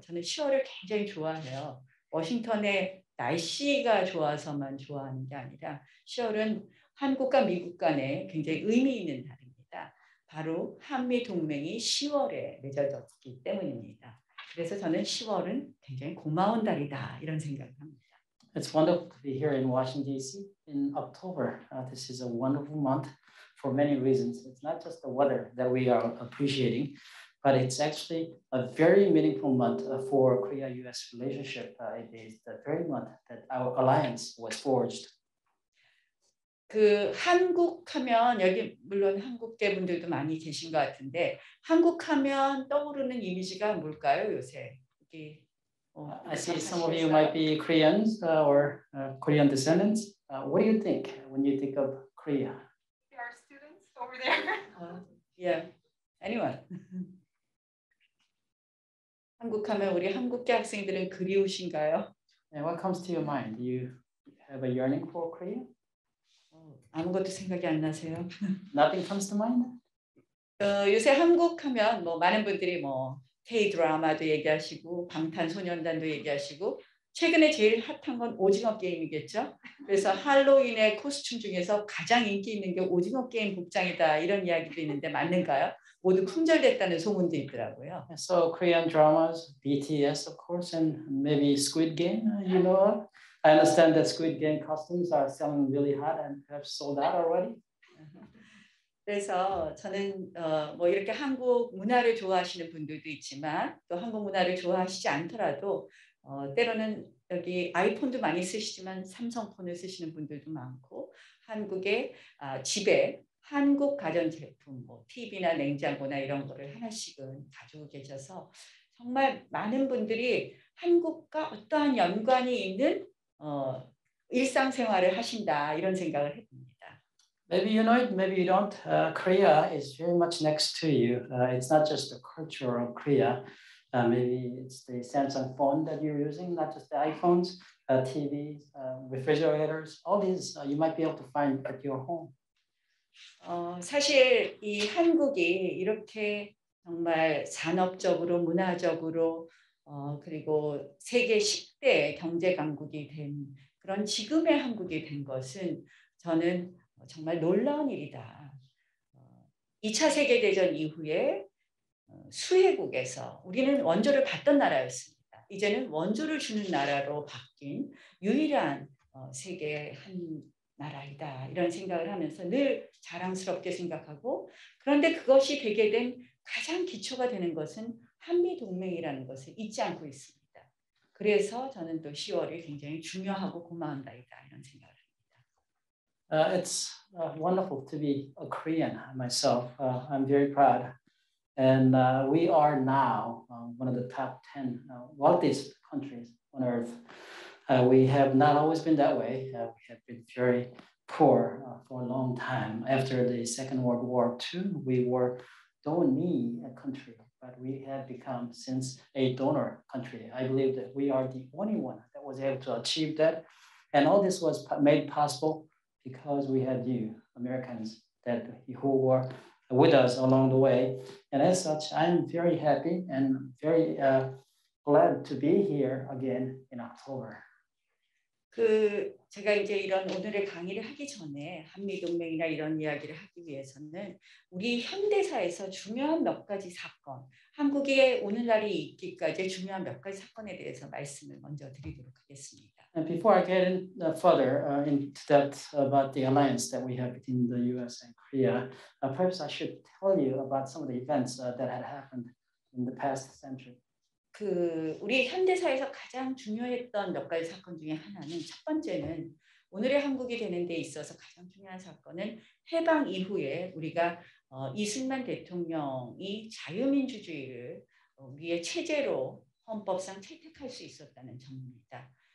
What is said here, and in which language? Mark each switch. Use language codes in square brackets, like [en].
[ko] 저는 10월을 굉장히 좋아해요. 워싱턴의 날씨가 좋아서만 좋아하는 게 아니라 10월은 한국과 미국 간에 굉장히 의미 있는 날입니다. 바로 한미동맹이 10월에 맺어졌기 때문입니다. 그래서 저는 10월은 굉장히 고마운 달이다 이런 생각을 합니다. [en] It's wonderful to be here in Washington, D.C. in October. This is a wonderful month for many reasons. It's not just the weather that we are appreciating, but it's actually a very meaningful month for Korea-U.S. relationship. It is the very month that our alliance was forged. [ko] 그 한국 하면 여기 물론 한국계 분들도 많이 계신 것 같은데 한국 하면 떠오르는 이미지가 뭘까요 요새? 이렇게. [en] I see some of you might be Koreans or Korean descendants. What do you think when you think of Korea? There are students over there. Yeah. Anyway. [ko] 한국 하면 우리 한국계 학생들은 그리우신가요? [en] Yeah, what comes to your mind? Do you have a yearning for Korea? [ko] 아무것도 생각이 안 나세요. [en] Nothing comes to mind? [ko] 요새 한국 하면 뭐 많은 분들이 뭐 K-드라마도 얘기하시고 방탄소년단도 얘기하시고 최근에 제일 핫한 건 오징어 게임이겠죠? 그래서 할로윈의 코스튬 중에서 가장 인기 있는 게 오징어 게임 복장이다 이런 이야기도 있는데 맞는가요? 모두 품절됐다는 소문도 있더라고요. [en] So Korean dramas, BTS of course, and maybe Squid Game, you know. I understand that Squid Game costumes are selling really hot and have sold out already. [ko] 그래서 저는 뭐 이렇게 한국 문화를 좋아하시는 분들도 있지만 또 한국 문화를 좋아하시지 않더라도 때로는 여기 아이폰도 많이 쓰시지만 삼성폰을 쓰시는 분들도 많고 한국의 집에 한국 가전제품 뭐 TV나 냉장고나 이런 거를 하나씩은 가지고 계셔서 정말 많은 분들이 한국과 어떠한 연관이 있는 일상생활을 하신다 이런 생각을 해봅니다. [en] Maybe you know it, maybe you don't. Korea is very much next to you. It's not just the culture of Korea. Maybe it's the Samsung phone that you're using, not just the iPhones, TVs, refrigerators. All these you might be able to find at your home. [ko] 사실 이 한국이 이렇게 정말 산업적으로, 문화적으로, 그리고 세계 10대 경제 강국이 된 그런 지금의 한국이 된 것은 저는 정말 놀라운 일이다. 2차 세계대전 이후에 수혜국에서 우리는 원조를 받던 나라였습니다. 이제는 원조를 주는 나라로 바뀐 유일한 세계의 한 나라이다. 이런 생각을 하면서 늘 자랑스럽게 생각하고 그런데 그것이 되게 된 가장 기초가 되는 것은 한미동맹이라는 것을 잊지 않고 있습니다. 그래서 저는 또 10월이 굉장히 중요하고 고마운 날이다. 이런 생각을 [en] It's wonderful to be a Korean myself. I'm very proud And we are now one of the top 10 wealthiest countries on earth. We have not always been that way. We have been very poor for a long time. After the Second World War II, we were donee country, but we have become since a donor country. I believe that we are the only one that was able to achieve that. And all this was made possible because we had you, Americans, that who were with us along the way. And as such, I'm very happy and very glad to be here again in October. [ko] 그 제가 이제 이런 오늘의 강의를 하기 전에 한미동맹이나 이런 이야기를 하기 위해서는 우리 현대사에서 중요한 몇 가지 사건, 한국의 오늘날이 있기까지 중요한 몇 가지 사건에 대해서 말씀을 먼저 드리도록 하겠습니다. [en] And before I get in further into that about the alliance that we have between the US and Korea, perhaps I should tell you about some of the events that had happened in the past century. [ko] 그 우리 현대사에서 가장 중요했던 몇 가지 사건 중에 하나는 첫 번째는 오늘의 한국이 되는 데 있어서 가장 중요한 사건은 해방 이후에 우리가 이승만 대통령이 자유민주주의를 우리의 체제로 헌법상 채택할 수 있었다는 점입니다.